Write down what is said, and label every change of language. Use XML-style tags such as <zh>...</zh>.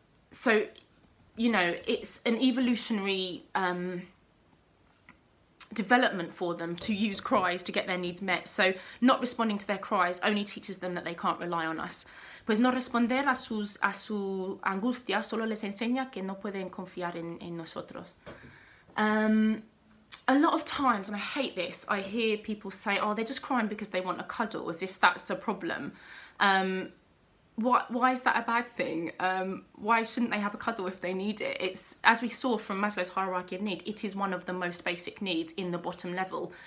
<en>So, you know, it's an evolutionary development for them to use cries to get their needs met. So not responding to their cries only teaches them that they can't rely on us.</en> <es>Pues no responder a su angustia solo les enseña que no pueden confiar en nosotros.</es> <en>A lot of times, and I hate this, I hear people say, oh, they're just crying because they want a cuddle, as if that's a problem. Why is that a bad thing? Why shouldn't they have a cuddle if they need it? It's, as we saw from Maslow's hierarchy of need, it is one of the most basic needs in the bottom level.</en>